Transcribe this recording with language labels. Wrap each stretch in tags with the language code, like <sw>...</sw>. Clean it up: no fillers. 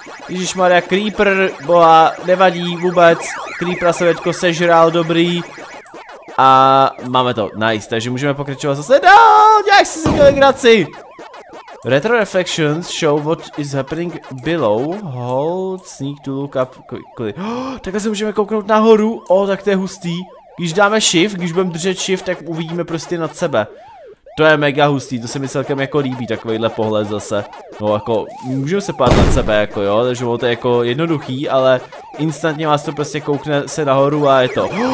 <cs>Ježišmarja, Creeper, boha, nevadí vůbec, Creepera se teďko sežral, dobrý. A máme to, nice, takže můžeme pokračovat zase dál, nějak si zvěděl graci.</cs> <en>Retro reflections show what is happening below, hold, sneak to look up quickly.</en> <cs>Takhle se můžeme kouknout nahoru, tak to je hustý. Když dáme shift, když budeme držet shift, tak uvidíme prostě nad sebe. To je mega hustý, to se mi celkem jako líbí, takovýhle pohled zase. No jako, můžeme se pát nad sebe jako jo, takže to je jako jednoduchý, ale instantně vás to prostě koukne se nahoru a je to.</cs>